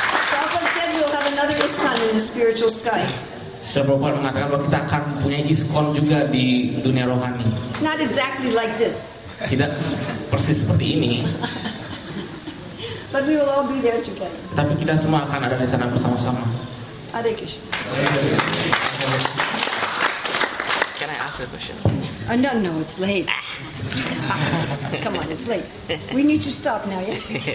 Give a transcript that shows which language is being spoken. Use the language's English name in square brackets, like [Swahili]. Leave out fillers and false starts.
[English] Prabhupada said we'll have another ISKCON in the spiritual sky. [Indonesian] Sri Prabhupada mengatakan bahwa kita akan punya iskon juga di dunia rohani. [English] Not exactly like this. [Indonesian] Tidak persis seperti ini. [English] But we will all be there together. [Indonesian] Tapi kita semua akan ada di sana bersama-sama. [English] Hare Krishna. Can I ask a question? Oh, no, no, it's late. Come on, it's late. We need to stop now, yes?